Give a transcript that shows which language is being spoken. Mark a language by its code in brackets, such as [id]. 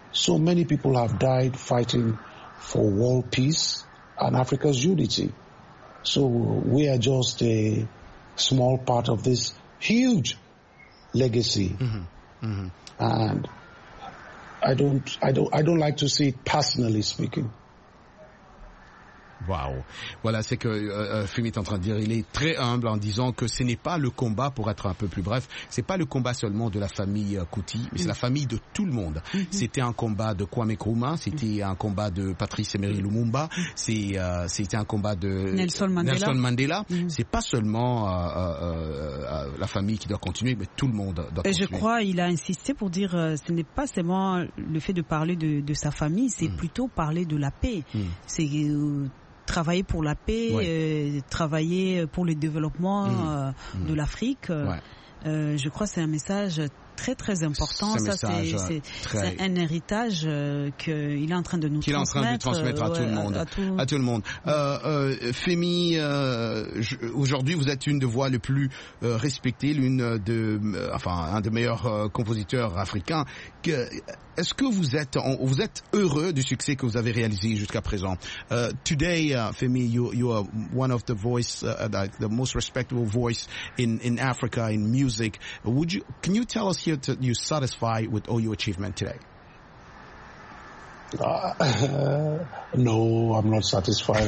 [en] So many people have died fighting for world peace and Africa's unity. So we are just a small part of this huge legacy. Mm-hmm. Mm-hmm. And I don't like to see it personally speaking. Wow. [fr] Voilà, c'est que Fumi est en train de dire, il est très humble en disant que ce n'est pas le combat, pour être un peu plus bref, c'est pas le combat seulement de la famille Kuti, mais c'est la famille de tout le monde. Mm-hmm. C'était un combat de Kwame Nkrumah, c'était un combat de Patrice Emery Lumumba, c'était un combat de Nelson Mandela. Mm-hmm. C'est pas seulement la famille qui doit continuer, mais tout le monde doit continuer. Et je crois il a insisté pour dire ce n'est pas seulement le fait de parler de sa famille, c'est plutôt parler de la paix. Mm-hmm. C'est travailler pour la paix, travailler pour le développement de l'Afrique. Je crois que c'est un message très très important. C'est un héritage qu'il est en train de nous transmettre. Qu'il est en train de transmettre à tout le monde. À tout le monde. Femi, aujourd'hui vous êtes une des voix les plus respectées, un des meilleurs compositeurs africains. Est-ce que vous êtes heureux du succès que vous avez réalisé jusqu'à présent? [en] Today, Femi, you are one of the voice, the most respectable voice in Africa in music. Can you tell us here that you satisfied with all your achievement today? No, I'm not satisfied.